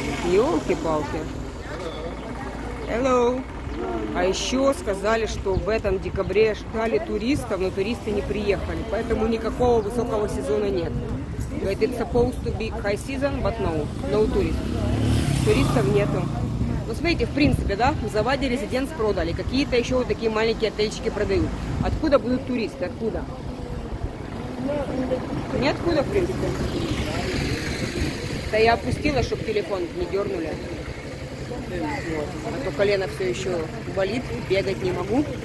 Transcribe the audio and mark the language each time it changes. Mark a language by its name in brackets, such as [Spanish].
[Russian] Ёлки-палки. Hello. А еще сказали, что в этом декабре ждали туристов, но туристы не приехали. Поэтому никакого высокого сезона нет. [English] It's supposed to be high season, but no. No tourists. [Russian] Туристов нету. Ну, смотрите, в принципе, да, в Заваде резиденс продали. Какие-то еще вот такие маленькие отельчики продают. Откуда будут туристы? Откуда? Ниоткуда, в принципе. Да я опустила, чтобы телефон не дернули. Вот. А то колено все еще болит, бегать не могу.